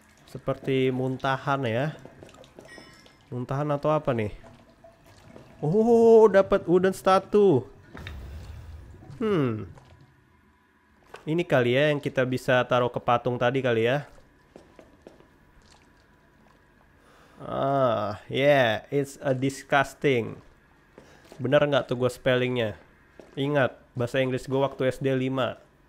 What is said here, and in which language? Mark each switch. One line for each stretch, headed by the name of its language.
Indonesian: Seperti muntahan ya. Muntahan atau apa nih? Oh, dapat
English: wooden statue.
Indonesian: Ini kali ya yang kita bisa taruh ke patung tadi kali ya.
English: Ah, yeah, it's a disgusting.
Indonesian: Bener nggak tuh gue spellingnya? Ingat, bahasa Inggris gue waktu SD 5.